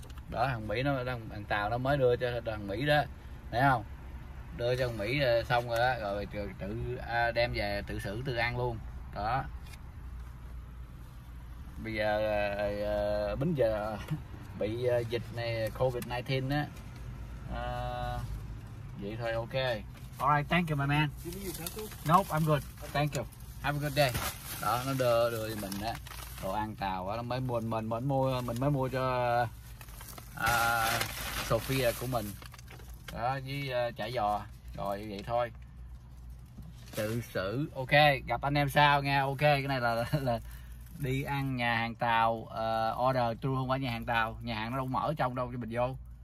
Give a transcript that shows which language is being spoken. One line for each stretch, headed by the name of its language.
Vietnamese: Đó, thằng Mỹ nó đang, thằng Tàu nó mới đưa cho thằng Mỹ đó, thấy không, đưa cho Mỹ xong rồi đó, rồi tự đem về tự xử tự ăn luôn đó. Bây giờ bính giờ bị dịch này, COVID-19 á, vậy thôi.
English: Ok, alright, thank you my man. Nope, I'm good, thank you, have a good day.
Vietnamese: Đó, nó đưa cho mình á đồ ăn Tàu á, nó mới mua, mình mới mua cho Sophia của mình đó, với chả giò, rồi vậy thôi, tự xử. Ok, gặp anh em sau nha. Ok, cái này là đi ăn nhà hàng Tàu, order tour, không phải nhà hàng Tàu, nhà hàng nó đâu mở trong đâu cho mình vô.